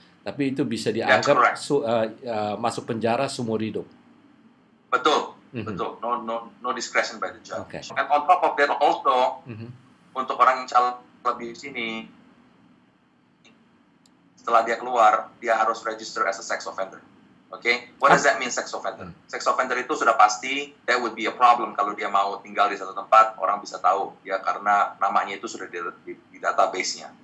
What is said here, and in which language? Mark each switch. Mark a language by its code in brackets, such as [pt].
[id] Tapi itu bisa dianggap masuk penjara seumur hidup. Betul. [en] Mm-hmm. Betul, no discretion by the judge. Okay. And on top of that also, mm-hmm. [id] untuk orang yang calon lebih sini, setelah dia keluar, dia harus [en] register as a sex offender. Okay? What does that mean, sex offender? Mm-hmm. Sex offender [id] itu sudah pasti, [en] that would be a problem [id] kalau dia mau tinggal di satu tempat, orang bisa tahu. Ya, karena namanya itu sudah di database-nya.